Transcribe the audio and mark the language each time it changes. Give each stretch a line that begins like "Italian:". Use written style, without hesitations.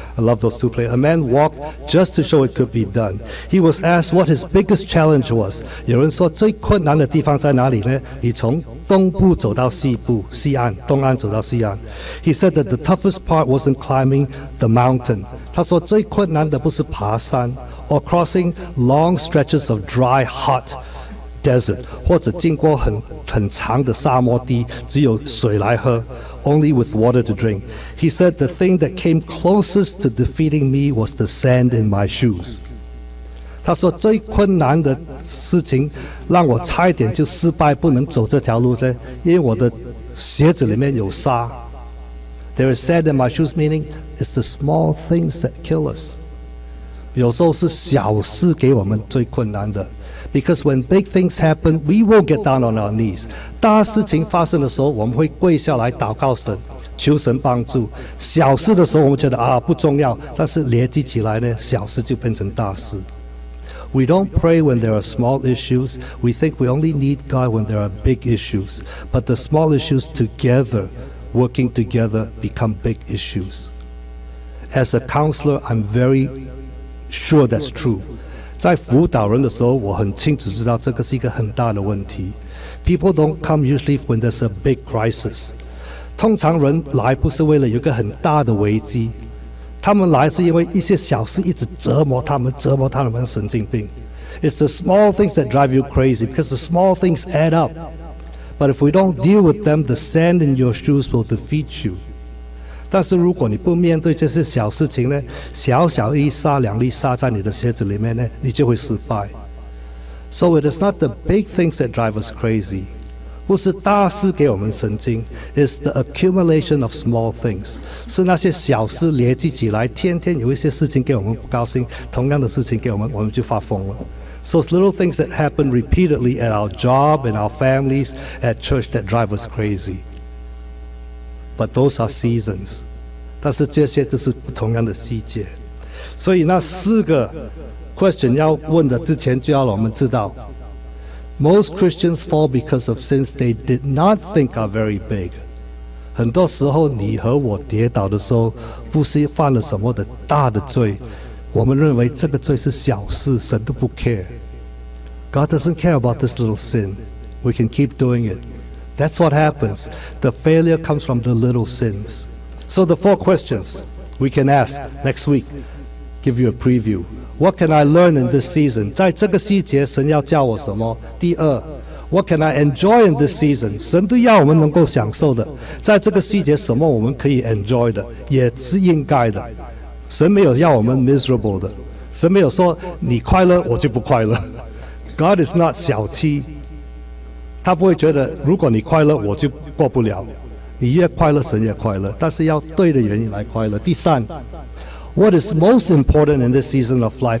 English: I love those two places. A man walked just to show it could be done. He was asked what his biggest challenge was.
Chinese: 有人说最困难的地方在哪里呢？你从东部走到西部，西岸，东岸走到西岸。
English: He said that the toughest part wasn't climbing the mountain.
Chinese: 他说最困难的不是爬山 ，
English: or crossing long stretches of dry, hot desert，
Chinese: 或者经过很长的沙漠地，只有水来喝 ，
English: only with water to drink. He said the thing that came closest to defeating me was the sand in my shoes.
Chinese: 他说最困难的事情。让我差一点就失败，不能走这条路呢，因为我的鞋子里面有沙。
English: There is sand in my shoes, meaning it's the small things that kill us.
Chinese: 有时候是小事给我们最困难的。
English: Because when big things happen, we will get down on our knees.
Chinese: 大事情发生的时候，我们会跪下来祷告神，求神帮助。小事的时候，我们觉得啊不重要，但是累积起来呢，小事就变成大事。
English: We don't pray when there are small issues. We think we only need God when there are big issues. But the small issues together, working together, become big issues. As a counselor, I'm very sure that's true.
Chinese: 在辅导人的时候，我很清楚知道这个是一个很大的问题。
English: People don't come usually when there's a big crisis.
Chinese: 通常人来不是为了有一个很大的危机。他们来是因为一些小事一直折磨他们，折磨他们的神经病。
English: It's the small things that drive you crazy because the small things add up. But if we don't deal with them, the sand in your shoes will defeat you.
Chinese: 但是如果你不面对这些小事情呢，小小一沙两粒沙在你的鞋子里面呢，你就会失败。
English: So it is not the big things that drive us crazy.
Chinese: 不是大事给我们神经 ，
English: is the accumulation of small things，
Chinese: 是那些小事累积起来，天天有一些事情给我们不高兴，同样的事情给我们，我们就发疯了。
English: So it's little things that happen repeatedly at our job, in our families, at church that drive us crazy. But those are seasons.
Chinese: 但是这些都是不同样的季节。所以那四个question要问的之前就要我们知道,
English: most Christians fall because of sins they did not think are very big.
Chinese: 很多时候你和我跌倒的时候不是犯了什么的大的罪, 我们认为这个罪是小事, 神都不care.
English: God doesn't care about this little sin. We can keep doing it. That's what happens. The failure comes from the little sins. So the four questions we can ask next week. Give you a preview. What can I learn in this season?
Chinese: 在这个季节神要教我什么? 第二,
English: what can I enjoy in this season?
Chinese: 神都要我们能够享受的。在这个季节什么我们可以enjoy的?也是应该的。神没有要我们miserable的。神没有说你快乐我就不快乐。
English: God is not
Chinese: 小气。他不会觉得如果你快乐我就过不了。你越快乐神越快乐，但是要对的原因来快乐。第三,
English: what is most important in this season of life?